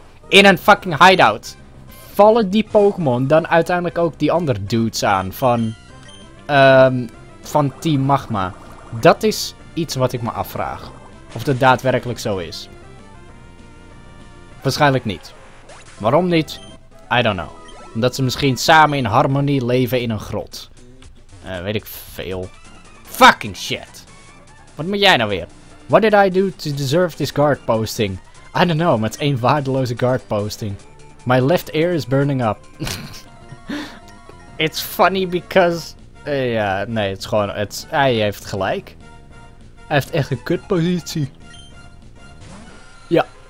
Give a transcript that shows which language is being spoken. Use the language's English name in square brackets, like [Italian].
[Dutch] In een fucking hideout. Vallen die Pokémon dan uiteindelijk ook die andere dudes aan van Team Magma? Dat is iets wat ik me afvraag. Of dat daadwerkelijk zo is. Waarschijnlijk niet. Waarom niet? [English] I don't know. [Dutch] Omdat ze misschien samen in harmonie leven in een grot. Weet ik veel. Fucking shit. Wat moet jij nou weer? [English] What did I do to deserve this guard posting? I don't know, [Dutch] maar het is één waardeloze guard posting. [English] My left ear is burning up. It's funny because... [Dutch] nee, het is gewoon... hij heeft gelijk. Hij heeft echt een kutpositie. Ja.